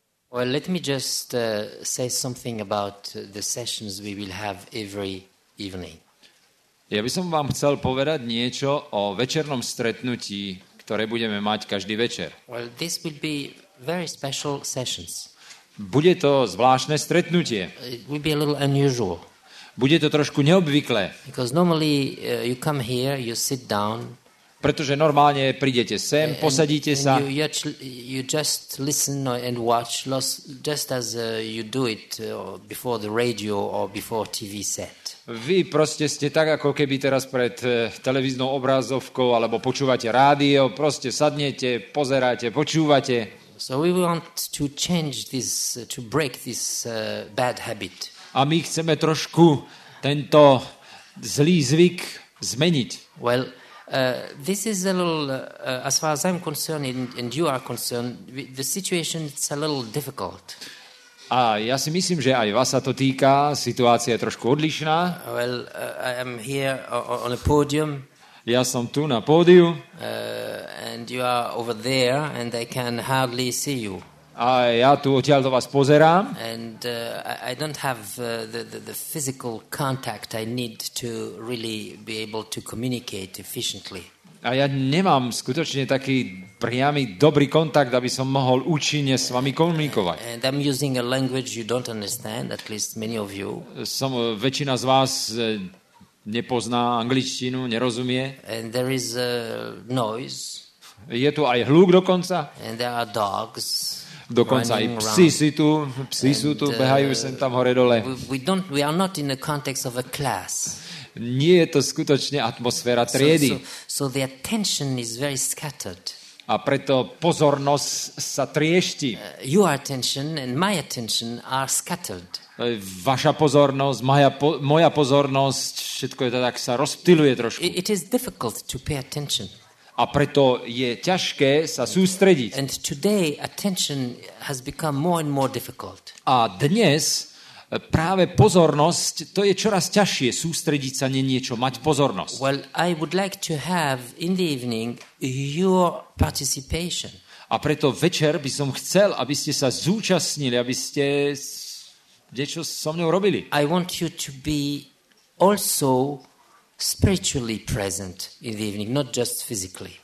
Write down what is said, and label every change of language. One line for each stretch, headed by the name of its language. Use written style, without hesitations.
English: Well, let me just say something about the sessions we will have every evening.
Slovak: Já bych som vám chcel povedať niečo o večernom stretnutí, ktoré budeme mať každý večer.
English: Well, this will be very special sessions.
Slovak: Bude to zvláštne stretnutie.
English: It will be a little unusual.
Slovak: Bude to trošku neobvyklé.
English: Because normally you come here, you sit down.
Slovak: Pretože normálne prídete sem, posadíte sa.
English: You just listen and watch just as you do it before the radio or before TV set.
Slovak: Vy proste ste tak, ako keby teraz pred televíznou obrazovkou alebo počúvate rádio, proste sadnete, pozeráte, počúvate.
English: So we want to change this, to break this bad habit.
Slovak: A my chceme trošku tento zlý zvyk zmeniť.
English: Well, this is a little, as far as I'm concerned and you are concerned, the situation is a little difficult.
Slovak: A ja si myslím, že aj vás sa to týka, situácia je trošku odlišná.
English: Well, I am here on a podium.
Slovak: Ja som tu na pódiu.
English: And you are over there and I can hardly see you.
Slovak: A ja tu odtiaľto vás pozerám.
English: And I don't have the physical contact I need to really be able to communicate efficiently.
Slovak: A ja nemám skutočne taký priamy dobrý kontakt, aby som mohol účinne s vami komunikovať.
English: And I'm using a language you don't understand, at least many of you.
Slovak: Väčšina z vás nepozná angličtinu, nerozumie.
English: And there is a noise.
Slovak: Je tu aj hluk dokonca.
English: And there are dogs.
Slovak: Dokonca aj psi sú tu, behajú sem tam hore dole.
English: We are not in the context of a class.
Slovak: Nie je to skutočne atmosféra triedy.
English: So the attention is very scattered.
Slovak: A preto pozornosť sa triešti.
English: Your attention and my attention are scattered.
Slovak: Vaša pozornosť, moja pozornosť, všetko je to tak, sa rozptyluje trošku.
English: It is difficult to pay attention.
Slovak: A preto je ťažké sa sústrediť.
English: And today attention has become more and more difficult.
Slovak: A dnes práve pozornosť, to je čoraz ťažšie sústrediť sa na niečo, mať pozornosť.
English: Well, I would like to have in the evening your participation.
Slovak: A preto večer by som chcel, aby ste sa zúčastnili, aby ste niečo so mnou robili.
English: I want you to be also spiritually present in the evening, not just physically.